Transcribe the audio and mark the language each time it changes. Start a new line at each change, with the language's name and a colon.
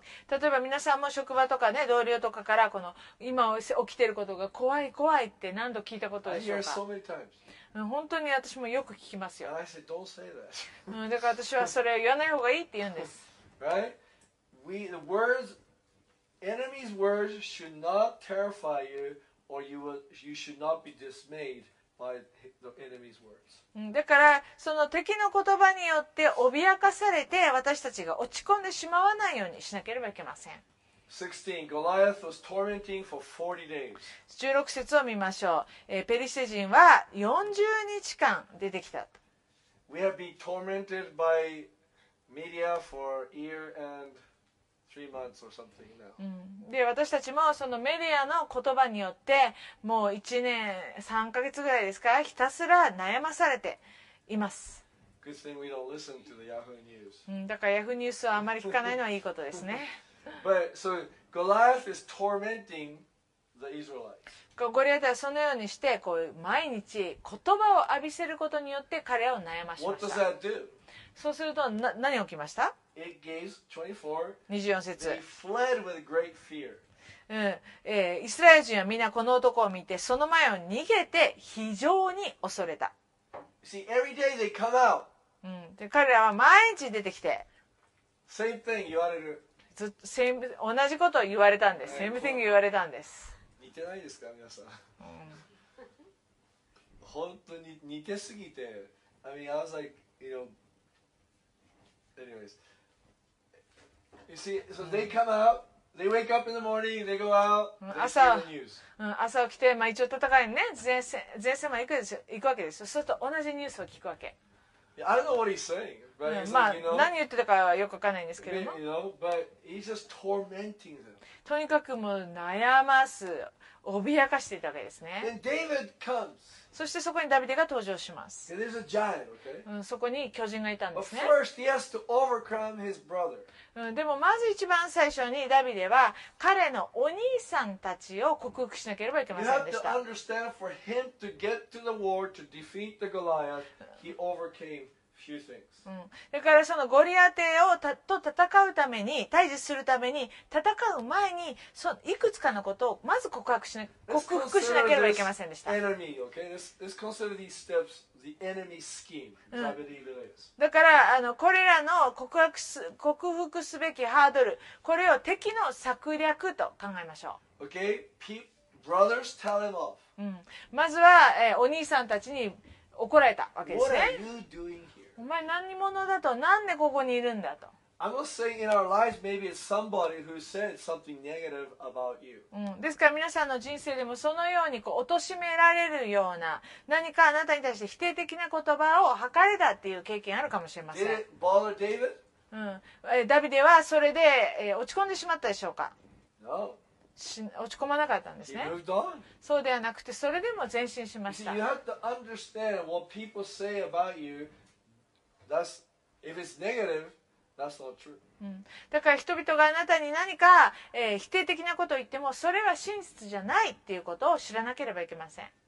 Japanese: 例えば皆さんも職場とか、ね、同僚とかからこの今起きていることが怖い怖いって何度聞いたことでしょうか。
English: I hear so many times.
Japanese: 本当に私もよく聞きますよ。
English: And I said, don't say that.
Japanese: だから私はそれを言わない方がいいって言うんです。
English: Right? The words, enemy's words should not terrify you or you should not be dismayed. By the enemy's words.
Japanese: だからその敵の言葉によって脅かされて私たちが落ち込んでしまわないようにしなければいけません。
English: 16, Goliath was tormenting for 40 days.
Japanese: 16節を見ましょう。ペリシテ人は40日間出てきた。
English: We have been tormented by media for a year and three months or something now.
Japanese: で私たちもそのメディアの言葉によってもう1年3ヶ月ぐらいですからひたすら悩まされています。
English: Good thing we don't listen to the Yahoo News.
Japanese: だからヤフーニュースをあまり聞かないのはいいことですね。
English: But, so, Goliath is tormenting the Israelites.
Japanese: ゴリアテはそのようにしてこう毎日言葉を浴びせることによって彼を悩ましました。
English: What does that do?
Japanese: そうすると何起きました。
English: It gave
Japanese: 24節。
English: They fled with great fear.
Japanese: イスラエル人はみんなこの男を見てその前を逃げて非常に恐れた。
English: See, every day they come out.
Japanese: で彼らは毎日出てきて。
English: Same thing
Japanese: 言われる。同じことを言われたんです。
English: Same thing
Japanese: 言われたんです。似てないですか皆さん。本当に似てすぎて、
English: I mean, I was like, you know, anyways. You see, so they come out, they wake up in the morning, they go out, they see the news.
Japanese: 朝起きて、まあ一応戦いね、前線まで行くわけですよ。そうすると同じニュースを聞くわけ。
English: Yeah, I don't know what he's saying, but he's
Japanese: まあ、
English: like, you know,
Japanese: 何言ってたかはよくわかんないんですけども。
English: You know, but he's just tormenting them.
Japanese: とにかくもう悩ます、脅かしていたわけですね。
English: Then David comes.
Japanese: そしてそこにダビデが登場します。
English: And there's a giant, okay?
Japanese: そこに巨人がいたんですね。
English: But first, he has to overcome his brother.
Japanese: でもまず一番最初にダビデは彼のお兄さんたちを克服しなければいけませんでした。
English: You have to understand for him to get to the war to defeat the Goliath, he overcame few things.
Japanese: だからそのゴリアテをと戦うために、対峙するために戦う前にそいくつかのことをまず克服しなければいけませんでした。
English: Let's consider this enemy, okay? Let's consider these steps. The enemy scheme,
Japanese: だからこれらの克服すべきハードル、これを敵の策略と考えましょう。
English: Okay, brothers tell him off.
Japanese: まずは、お兄さんたちに怒られたわけですね。
English: What are you doing here?
Japanese: お前何者だと、なんでここにいるんだと。
English: I'm not saying in our lives maybe it's somebody who said something negative about you.
Japanese: ですから皆さんの人生でもそのようにこう貶められるような何かあなたに対して否定的な言葉を吐かれたっていう経験あるかもしれません。
English: Did it bother David?
Japanese: ダビデはそれで、落ち込んでしまったでしょうか。
English: No.
Japanese: 落ち込まなかったんですね。
English: He moved on.
Japanese: そうではなくてそれでも前進しました。
English: You have to understand what people say about you. That's if it's negative. That's not true.
Japanese: だから人々があなたに何か、否定的なことを言ってもそれは真実じゃないっていうことを知らなければいけません。